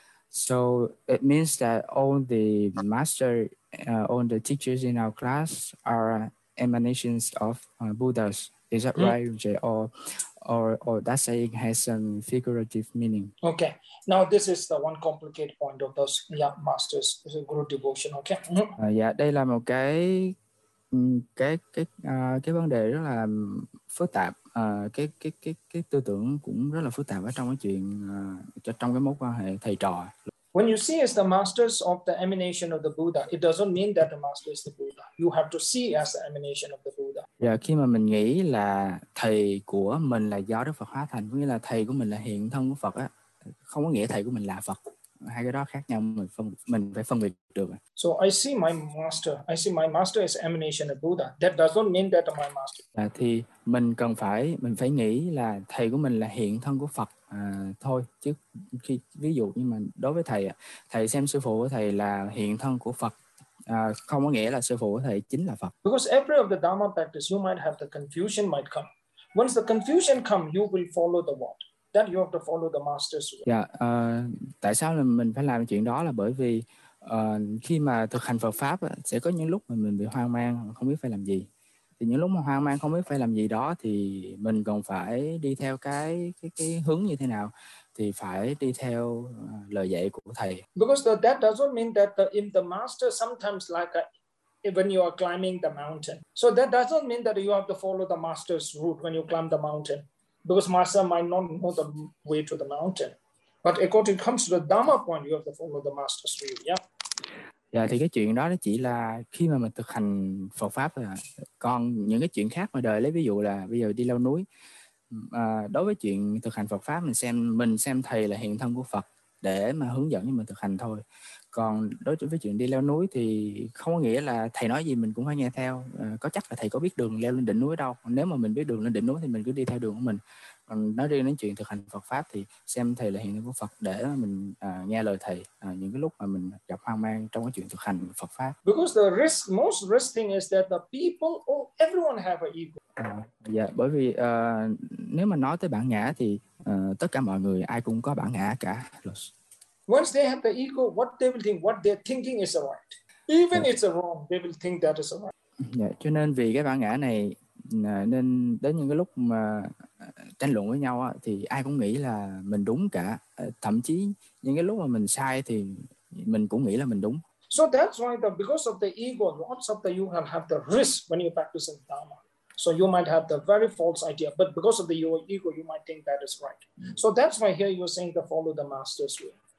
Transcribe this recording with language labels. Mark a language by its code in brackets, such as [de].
[en] So it means that all the master, all the teachers in our class are emanations of Buddhas. Is that right, Jay? Or that saying has some figurative meaning. Okay. Now this is the one complicated point of those young masters, the guru devotion. Okay. [vi] Đây là một cái vấn đề rất là phức tạp. Cái tư tưởng cũng rất là phức tạp ở trong cái chuyện trong cái mối quan hệ thầy trò. [en] When you see as the masters of the emanation of the Buddha, it doesn't mean that the master is the Buddha. You have to see as the emanation of the Buddha. [vi] Yeah, khi mà mình nghĩ là thầy của mình là do Đức Phật hóa thành, có nghĩa là thầy của mình là hiện thân của Phật á, không có nghĩa thầy của mình là Phật. Hai cái đó khác nhau, mình phải phân biệt được. [en] So I see my master as emanation of Buddha. That doesn't mean that my master. [vi] Thì mình phải nghĩ là thầy của mình là hiện thân của Phật. Thôi chứ khi ví dụ như mà đối với thầy, thầy xem sư phụ của thầy là hiện thân của Phật, không có nghĩa là sư phụ của thầy chính là Phật. [en] Because every of the dharma practice you might have the confusion might come. Once the confusion come you will follow the what, that you have to follow the master's way. [vi] Tại sao là mình phải làm chuyện đó là bởi vì khi mà thực hành Phật pháp sẽ có những lúc mà mình bị hoang mang không biết phải làm gì. Thì những lúc mà hoang mang không biết phải làm gì đó thì mình còn phải đi theo cái hướng như thế nào, thì phải đi theo lời dạy của thầy. [en] Because that doesn't mean that if the master sometimes like when you are climbing the mountain. So that doesn't mean that you have to follow the master's route when you climb the mountain. Because master might not know the way to the mountain. But according comes to the Dharma point, you have to follow the master's route. Yeah. [vi] Dạ thì cái chuyện đó nó chỉ là khi mà mình thực hành Phật pháp thôi. Còn những cái chuyện khác ngoài đời, lấy ví dụ là bây giờ đi leo núi, đối với chuyện thực hành Phật pháp mình xem thầy là hiện thân của Phật để mà hướng dẫn cho mình thực hành thôi. Còn đối với chuyện đi leo núi thì không có nghĩa là thầy nói gì mình cũng phải nghe theo. Có chắc là thầy có biết đường leo lên đỉnh núi đâu. Nếu mà mình biết đường lên đỉnh núi thì mình cứ đi theo đường của mình. Còn nói riêng đến chuyện thực hành Phật pháp thì xem thầy là hiện thân của Phật để mình nghe lời thầy những cái lúc mà mình gặp hoang mang trong cái chuyện thực hành Phật pháp. [en] Because the risk, most risk thing is that the people or everyone have an ego. [vi] Bởi vì nếu mà nói tới bản ngã thì tất cả mọi người ai cũng có bản ngã cả. [en] Once they have the ego, what they will think, what they're thinking is right. Even if it's wrong, they will think that is right. [vi] Cho nên vì cái bản ngã này nên đến những cái lúc mà tranh luận với nhau á thì ai cũng nghĩ là mình đúng cả, thậm chí những cái lúc mà mình sai thì mình cũng nghĩ là mình đúng. [en] So that's why the because of the ego, lots of the you will have the risk when you practice in Dharma. So you might have the very false idea, but because of the ego, you might think that is right. So that's why here you're saying to follow the master's way.